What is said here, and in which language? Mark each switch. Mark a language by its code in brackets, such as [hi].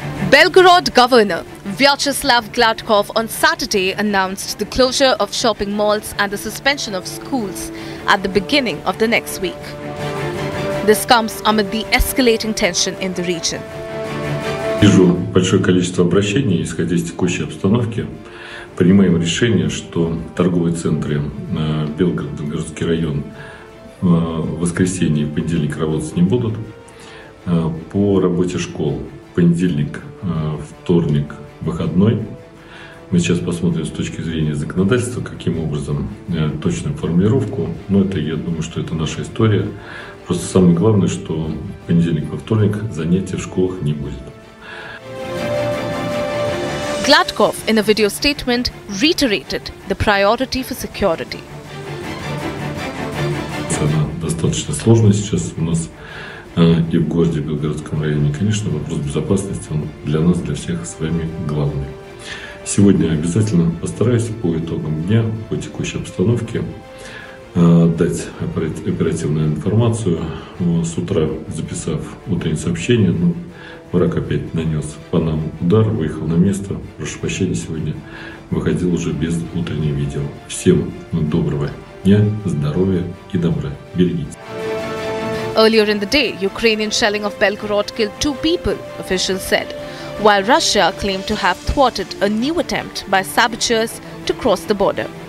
[en] Belgorod governor Vyacheslav Gladkov on Saturday announced the closure of shopping malls and the suspension of schools at the beginning of the next week. This comes amid the escalating tension in the region. [ru] Вижу большое количество обращений, исходя из текущей обстановки, принимаем решение, что торговые центры Белгород, Белгородский район, в воскресенье и понедельник работать не будут. По работе школ понедельник, вторник, выходной. Мы сейчас посмотрим с точки зрения законодательства, каким образом точную формулировку. Но это, я думаю, что это наша история. Просто самое главное, что понедельник во вторник занятий в школах не будет. [en] Gladkov, in a video statement, reiterated the priority for security. [ru] Она достаточно сложная сейчас у нас и в городе, в Белгородском районе. Конечно, вопрос безопасности он для нас, для всех с вами главный. Сегодня обязательно постараюсь по итогам дня, по текущей обстановке, дать оперативную информацию. С утра, записав утреннее сообщение, ну, враг опять нанес по нам удар, выехал на место. Прошу прощения, сегодня выходил уже без утреннего видео. Всем доброго дня, здоровья и добра. Берегите. [en] Earlier in the day, Ukrainian shelling of Belgorod killed two people, officials said, while Russia claimed to have thwarted a new attempt by saboteurs to cross the border.